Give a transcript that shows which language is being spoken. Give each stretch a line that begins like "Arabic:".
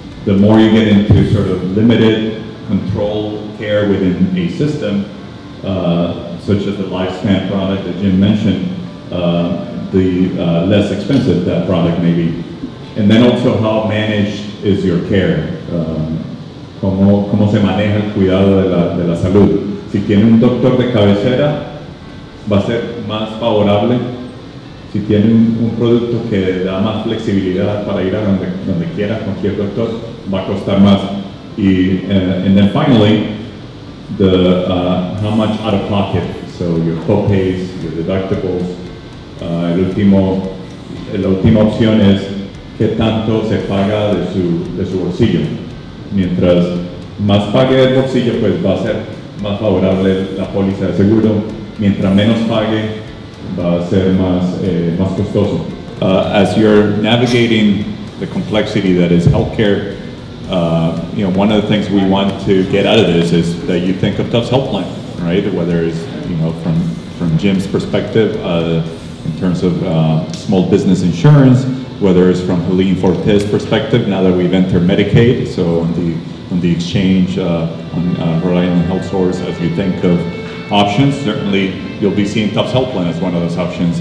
English: The more you get into sort of limited control care within a system, such as the LifeSpan product that Jim mentioned, the less expensive that product may be. And then also how managed is your care.
Spanish: Cómo se maneja el cuidado de la salud. Si tiene un doctor de cabecera, va a ser más favorable. Si tiene un producto que da más flexibilidad para ir a donde quiera, cualquier doctor, va a costar más.
English: And then finally, how much out of pocket. So your copays, your deductibles.
Spanish: La última opción es qué tanto se paga de su bolsillo. Mientras más pague del bolsillo, pues va a ser más favorable la póliza de seguro. Mientras menos pague, va a ser más costoso.
English: As you're navigating the complexity that is healthcare, one of the things we want to get out of this is that you think of Tufts Helpline, right? Whether it's from Jim's perspective in terms of small business insurance, whether it's from Helene Fortes' perspective now that we've entered Medicaid, so on the exchange on Rhode Island Health Source, as you think of options, certainly you'll be seeing Tufts Helpline as one of those options.